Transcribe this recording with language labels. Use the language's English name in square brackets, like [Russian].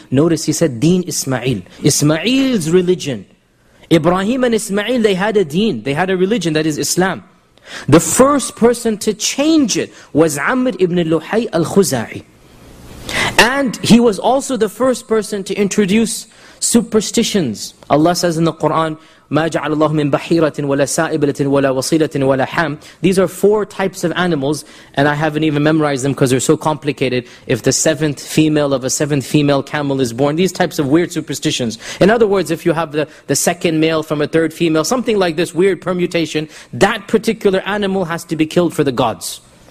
[English] Notice he said deen Ismail. Ismail's religion. Ibrahim and Ismail, they had a deen. They had a religion, that is Islam. The first person to change it was Amr ibn Luhay al-Khuza'i. And he was also the first person to introduce superstitions. Allah says in the Quran, [Arabic] مَا جَعَلَ اللَّهُ مِنْ بَحِيرَةٍ وَلَا سَائِبَلَةٍ وَلَا وَصِيلَةٍ وَلَا حَامٍ. [English] These are four types of animals, and I haven't even memorized them because they're so complicated. If the seventh female of a seventh female camel is born, these types of weird superstitions. In other words, if you have the second male from a third female, something like this weird permutation, that particular animal has to be killed for the gods.